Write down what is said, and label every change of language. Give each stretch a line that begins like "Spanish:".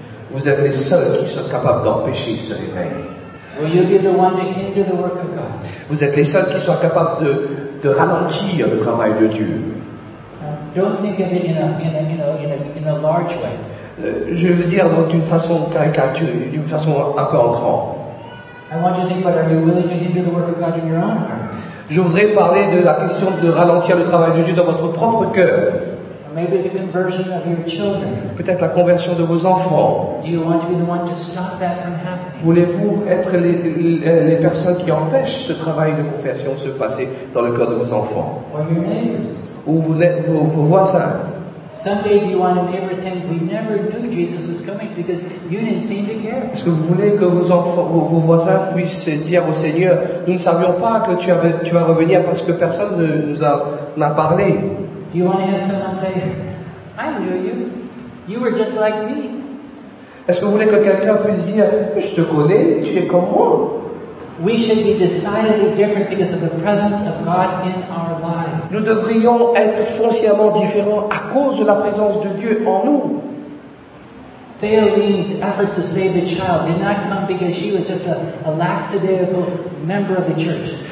French: Vous êtes les seuls qui sont capables d'empêcher ce réveil.
English: Will you be the one to hinder the work of God?
French: Vous êtes les seuls qui sont capables de ralentir le travail de Dieu.
English: Don't think of it in a large way.
French: Je veux dire donc d'une façon caricaturée, d'une façon un peu en grand.
English: I want you to think about, are you willing to hinder the work of God in your own heart?
French: Je voudrais parler de la question de ralentir le travail de Dieu dans votre propre cœur.
English: Maybe the conversion of your children.
French: Peut-être la conversion de vos enfants.
English: Do you want to be the one to stop that from happening?
French: Voulez-vous être les personnes qui empêchent ce travail de conversion se passer dans le cœur de vos enfants?
English: Or your neighbors.
French: Ou vos voisins.
English: Someday you want a neighbor saying, "We never knew Jesus was coming because you didn't seem to care."
French: Est-ce que vous voulez que vos voisins puissent dire au Seigneur, nous ne savions pas que tu vas revenir parce que personne ne nous a parlé.
English: Do you want to have someone say, "I knew you. You were just like me."
French: Est-ce que vous voulez que quelqu'un puisse dire, je te connais, tu es comme moi.
English: We should be decidedly different because of the presence of God in our lives.
French: Nous devrions être foncièrement différents à cause de la présence de Dieu en nous.
English: Theoline's efforts to save the child did not come because she was just a lackadaisical member of the church.